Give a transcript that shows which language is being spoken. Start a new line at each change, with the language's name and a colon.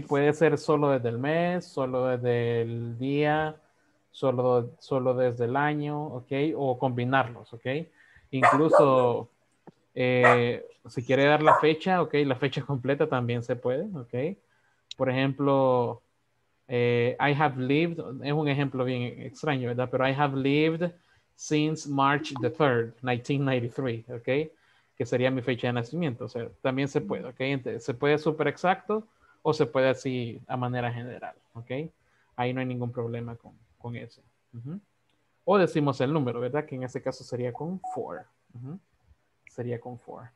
Spanish: Puede ser solo desde el mes, solo desde el día, solo desde el año, okay. O combinarlos, okay. Incluso si quiere dar la fecha, okay, la fecha completa también se puede, okay. Por ejemplo,
English: I have lived,
Spanish: es un ejemplo bien extraño, ¿verdad?
English: Pero I have lived since March the 3rd, 1993, ¿ok?
Spanish: Que sería mi fecha de nacimiento. O sea, también se puede, ¿ok? Se puede súper exacto o se puede así a manera general, ¿ok? Ahí no hay ningún problema con eso. Uh-huh. O decimos el número, ¿verdad? Que en este caso sería con 4. Uh-huh. Sería con 4.